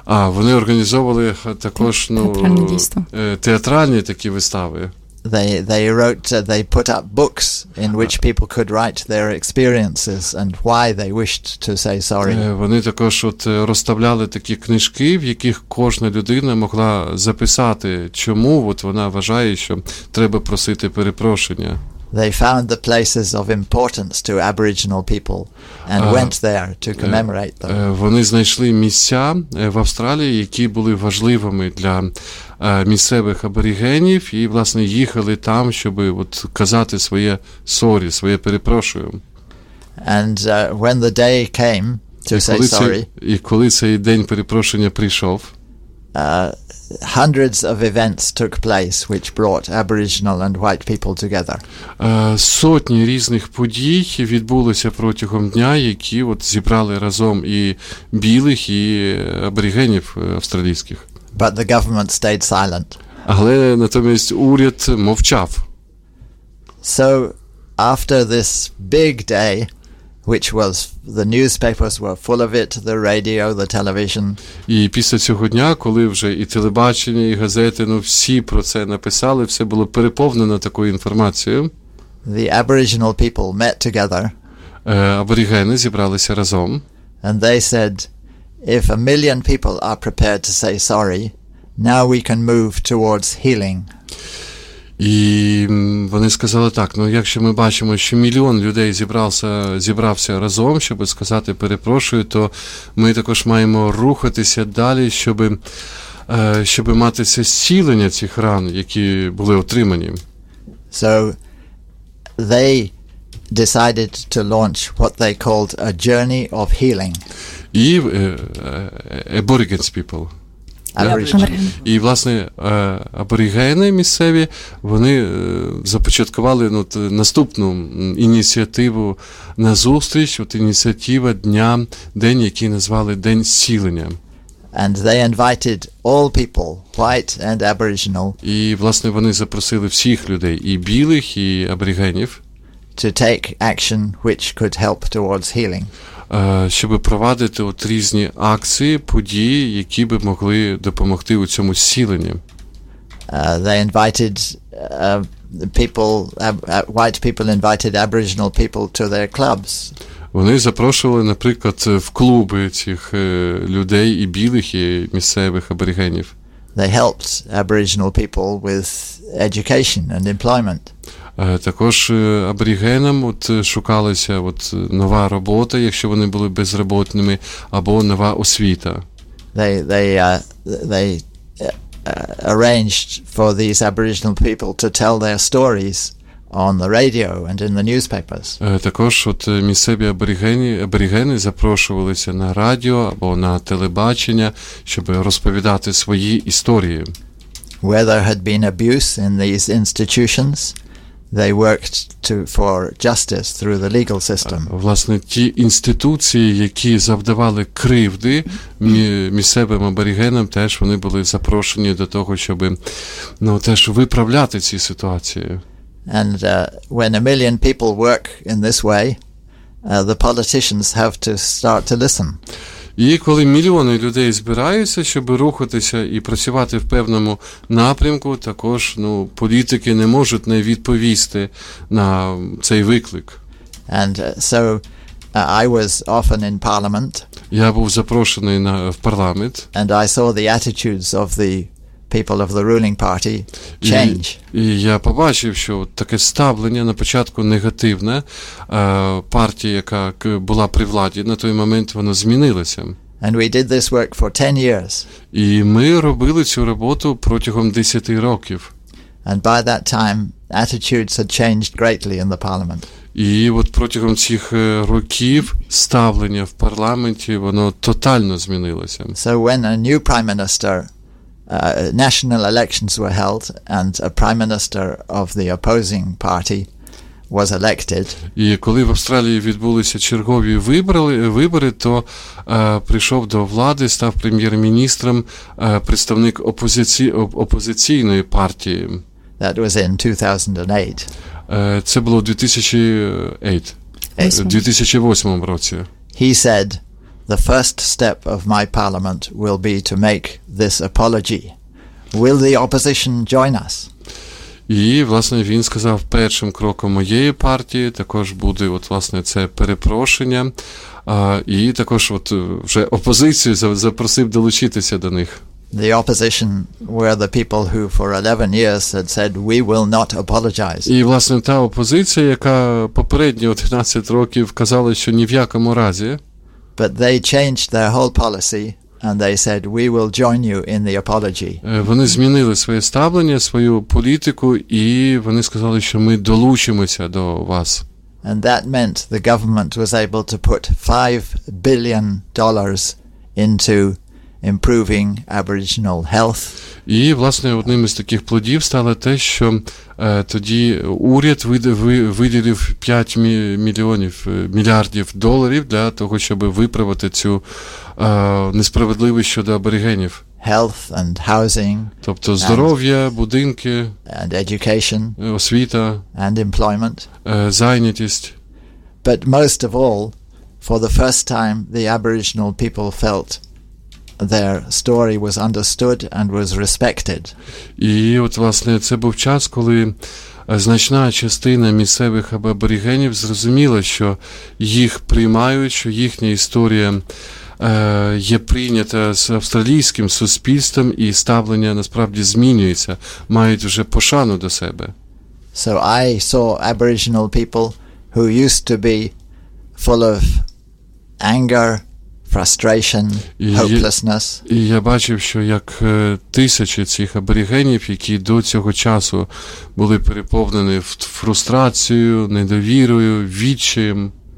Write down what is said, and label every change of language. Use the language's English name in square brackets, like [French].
[Ukrainian] А вони організовували також ну театральні такі вистави. [English] They put up books in which people could write their experiences and why they wished to say sorry. [Ukrainian] Вони також от розставляли такі книжки, в яких кожна людина могла записати, чому от вона вважає, що треба просити перепрошення. [English] They found the places of importance to Aboriginal people and went there to commemorate them. [Ukrainian] Вони знайшли місця в Австралії, які були важливими для місцевих аборигенів, і, власне, їхали там, щоб от казати своє sorry, своє перепрошую. [English] And when the day came to say sorry, [Ukrainian] і коли цей день перепрошення прийшов, [English] hundreds of events took place which brought Aboriginal and white people together. [Ukrainian] Сотні різних подій відбулося протягом дня, які от зібрали разом і білих, і аборигенів австралійських. [English] But the government stayed silent. [Ukrainian] Але натомість уряд мовчав. [English] So after this big day, which was the newspapers were full of it, the radio, the television. [Ukrainian] І після цього дня, коли вже і телебачення, і газети, ну всі про це написали, все було переповнено такою інформацією. [English] The Aboriginal people met together. [Ukrainian] Аборигени зібралися разом. [English] And they said, if 1 million people are prepared to say sorry, now we can move towards healing. [Ukrainian] І вони сказали так, ну якщо ми бачимо, що мільйон людей зібрався разом, щоб сказати перепрошую, то ми також маємо рухатися далі, щоб мати це зцілення цих ран, які були отримані. [English] So they decided to launch what they called a journey of healing. [Ukrainian] І [English] aborigines people. [Ukrainian] І, власне, аборигени місцеві, вони започаткували ну, наступну ініціативу на зустріч, от ініціатива дня, день, який назвали День зцілення. [English] And they invited all people, white and aboriginal. [Ukrainian] І, власне, вони запросили всіх людей, і білих, і аборигенів, [English] to take action which could help towards healing. [Ukrainian] Щоб провадити от різні акції, події, які би могли допомогти у цьому зціленні. [English] They invited people, white people invited Aboriginal people to their clubs. [Ukrainian] Вони запрошували, наприклад, в клуби цих людей і білих, і місцевих аборигенів. [English] They helped Aboriginal people with education and employment. [Ukrainian] Також аборігенам от шукалася от нова робота, якщо вони були безробітними, або нова освіта. [English] They arranged for these Aboriginal people to tell their stories on the radio and in the newspapers. [Ukrainian] Також от місцеві аборігени запрошувалися на радіо або на телебачення, щоб розповідати свої історії. [English] Where there had been abuse in these institutions, they worked to for justice through the legal system. [Ukrainian] Власне, ті інституції, які завдавали кривди місцевим аборігенам, теж вони були запрошені до того, щоб теж виправляти ці ситуації. [English] And when a million people work in this way, the politicians have to start to listen. [Ukrainian] І коли мільйони людей збираються, щоб рухатися і працювати в певному напрямку, також політики не можуть не відповісти на цей виклик. [English] And so I was often in parliament. [Ukrainian] Я був запрошений в парламент. [English] And I saw the attitudes of the people of the ruling party change. [Ukrainian] І я побачив, що таке ставлення на початку негативне, партія, яка була при владі на той момент, воно змінилося. [English] And we did this work for 10 years. [Ukrainian] І ми робили цю роботу протягом 10 років. [English] And by that time attitudes had changed greatly in the parliament. [Ukrainian] І от протягом цих років ставлення в парламенті, воно тотально змінилося. [English] So when a new prime minister national elections were held and a prime minister of the opposing party was elected. [Ukrainian] І коли в Австралії відбулися чергові вибори, то прийшов до влади, став прем'єр-міністром представник опозиційної партії. [English] That was in 2008. [Ukrainian] Це було в 2008 році. [English] He said the first step of my parliament will be to make this apology. Will the opposition join us? [Ukrainian] І, власне, він сказав, першим кроком моєї партії також буде от власне це перепрошення, і також от вже опозицію запросив долучитися до них. [English] The opposition were the people who for 11 years had said we will not apologize. [Ukrainian] І, власне, та опозиція, яка попередні 11 років казала, що ні в якому разі. [English] But they changed their whole policy. And they said, we will join you in the apology. [Ukrainian] Вони змінили своє ставлення, свою політику, і вони сказали, що ми долучимося до вас. [English] And that meant the government was able to put $5 billion into improving Aboriginal health. [Ukrainian] І, власне, одним із таких плодів стало те, що тоді уряд виділив 5 мільярдів доларів для того, щоб виправити цю несправедливість щодо аборигенів. [English] Health and housing. [Ukrainian] Тобто здоров'я, будинки, [English] and education, [Ukrainian] освіта, [English] and employment. [Ukrainian] Зайнятість. [English] But most of all, for the first time, the Aboriginal people felt their story was understood and was respected. [Ukrainian] І от власне це був час, коли значна частина місцевих аборігенів зрозуміла, що їх приймають, що їхня історія є прийнята з австралійським суспільством і ставлення насправді змінюється, мають вже пошану до себе. [English] So I saw Aboriginal people who used to be full of anger, frustration, hopelessness. [Ukrainian] Я бачив, що як тисячі цих аборігенів, які до цього часу були переповнені фрустрацією, недовірою, відчаєм,